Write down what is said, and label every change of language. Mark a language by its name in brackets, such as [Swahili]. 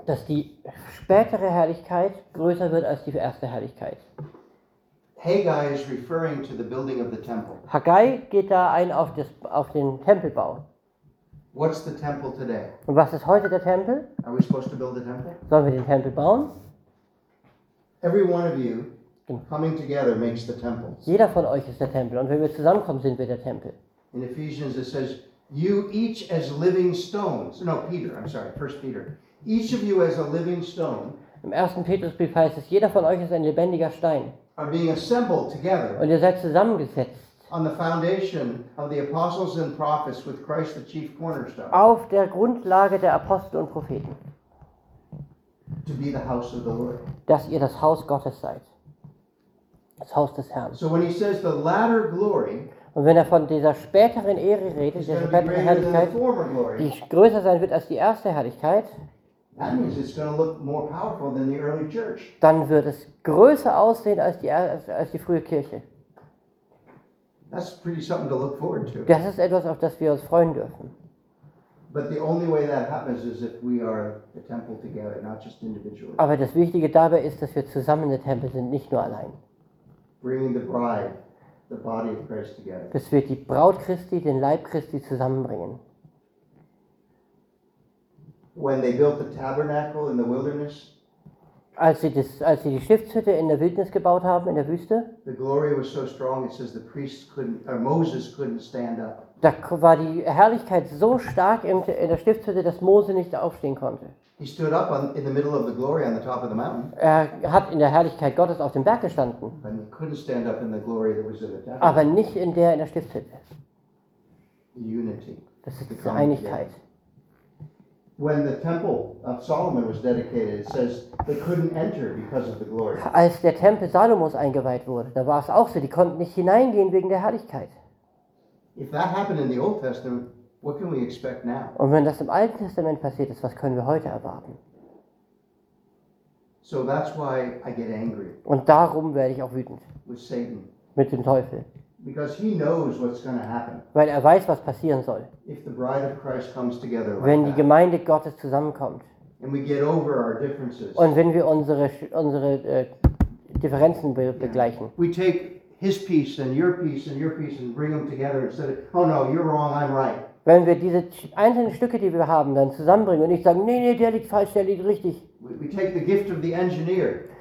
[German] Dass die spätere Herrlichkeit größer wird als die erste Herrlichkeit. [English] Haggai is referring to the building of the temple. [German] Haggai geht da ein auf den Tempelbau. [English] What's the temple today? [German] Und was ist heute der Tempel? [English] Are we supposed to build the temple? [German] Sollen wir den Tempel bauen? [English] Every one of you coming together makes the temple. [German] Jeder von euch ist der Tempel und wenn wir zusammenkommen, sind wir der Tempel. [English] In Ephesians it says, "You each as living stones." No, Peter. I'm sorry. First Peter. Each of you as a living stone. [German] Im ersten Petrusbrief heißt es, jeder von euch ist ein lebendiger Stein. [English] Are being assembled together. [German] Und ihr seid zusammengesetzt. [English] On the foundation of the apostles and prophets, with Christ the chief cornerstone. [German] Auf der Grundlage der Apostel und Propheten. [English] To be the house of the Lord. [German] Dass ihr das Haus Gottes seid. Das Haus des Herrn. [English] So when he says the latter glory. [German] Und wenn er von dieser späteren Ehre redet, der späteren Herrlichkeit, die größer sein wird als die erste Herrlichkeit. [English] That means it's going to look more powerful than the early church. [German] Dann wird es größer aussehen als die frühe Kirche. [English] That's pretty something to look forward to. [German] Das ist etwas, auf das wir uns freuen dürfen. [English] But the only way that happens is if we are the temple together, not just individually. [German] Aber das Wichtige dabei ist, dass wir zusammen der Tempel sind, nicht nur allein. [English] Bringing the bride, the body of Christ together. [German] Dass wir die Braut Christi, den Leib Christi zusammenbringen. [English] When they built the tabernacle in the wilderness, [German] als sie die Stiftshütte in der Wildnis gebaut haben, in der Wüste, [English] the glory was so strong, it says the priests couldn't, or Moses couldn't stand up. [German] Da war die Herrlichkeit so stark in der Stiftshütte, dass Mose nicht aufstehen konnte. [English] He stood up in the middle of the glory on the top of the mountain. [German] Er hat in der Herrlichkeit Gottes auf dem Berg gestanden. [English] But he couldn't stand up in the glory that was in the tabernacle. [German] Aber nicht in der Stiftshütte. [English] Unity. [German] Das ist die Einigkeit. [English] When the temple of Solomon was dedicated, it says they couldn't enter because of the glory. [German] Als der Tempel Salomos eingeweiht wurde, da war es auch so, die konnten nicht hineingehen wegen der Herrlichkeit. [English] If that happened in the Old Testament, what can we expect now? [German] Und wenn das im Alten Testament passiert ist, was können wir heute erwarten? [English] So that's why I get angry. [German] Und darum werde ich auch wütend. [English] With Satan. [German] Mit dem Teufel. [English] Because he knows what's going to happen. [German] Weil er weiß, was passieren soll. [English] If the bride of Christ comes together like [German] wenn die Gemeinde Gottes zusammenkommt. [English] And we get over our differences. [German] Und wenn wir unsere Differenzen begleichen. [English] We take his peace and your peace and your peace and bring them together and say, oh no, you're wrong, I'm right. [German] Wenn wir diese einzelnen Stücke, die wir haben, dann zusammenbringen und nicht sagen, nee, der liegt falsch, der liegt richtig. [English] We take the gift of the engineer.